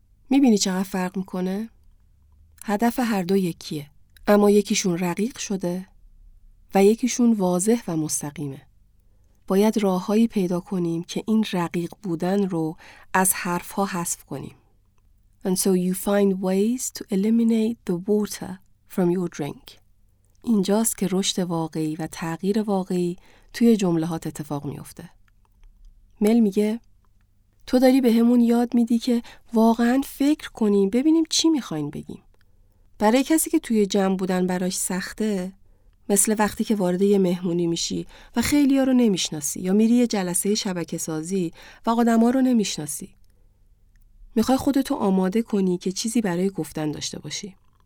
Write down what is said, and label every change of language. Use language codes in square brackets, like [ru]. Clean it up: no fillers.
[fa] میبینی چقدر فرق میکنه؟ هدف هر دو یکیه، اما یکیشون رقیق شده و یکیشون واضح و مستقیمه. باید راههایی پیدا کنیم که این رقیق بودن رو از حرفها حذف کنیم. [en] And so you find ways to eliminate the water from your drink. [fa] اینجاست که رشد واقعی و تغییر واقعی توی جملهات اتفاق میفته. مل میگه تو داری به همون یاد میدی که واقعا فکر کنیم ببینیم چی میخواین بگیم. برای کسی که توی جمع بودن براش سخته، مثل وقتی که وارد یه مهمونی میشی و خیلی ها رو نمیشناسی، یا میری یه جلسه شبکه سازی و آدم ها رو نمیشناسی، میخوای خودتو آماده کنی که چیزی برای گفتن داشته باشی.